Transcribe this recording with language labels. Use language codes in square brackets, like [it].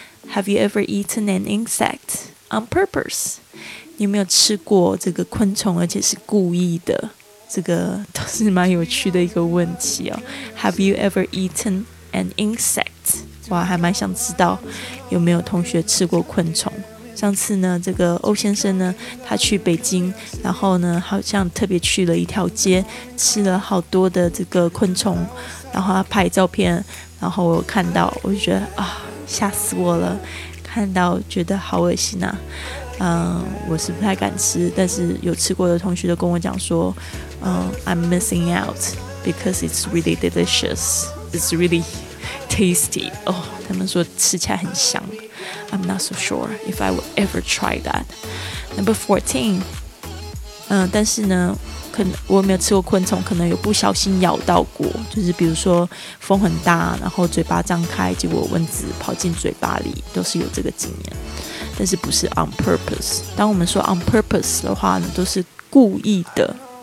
[en] Have you ever eaten an insect on purpose？ [zh] 你有没有吃过这个昆虫而且是故意的？这个都是蛮有趣的一个问题哦。 [en] Have you ever eaten an insect？ [zh] 哇，还蛮想知道有没有同学吃过昆虫。上次呢，这个欧先生呢，他去北京，然后呢好像特别去了一条街，吃了好多的这个昆虫，然后他拍照片，然后我看到我就觉得啊，吓死我了，看到觉得好恶心啊。我是不太敢吃，但是有吃过的同学都跟我讲说， [en] I'm missing out because it's really delicious. It's really tasty. [zh] 他们说吃起来很香。 [en] I'm not so sure if I will ever try that. Number 14. [zh] 但是呢，可能我没有吃过昆虫，可能有不小心咬到过，就是比如说风很大，然后嘴巴张开，结果蚊子跑进嘴巴里，都是有这个经验。但是不是 on purpose， 当我们说 on purpose 的话呢，都是故意的。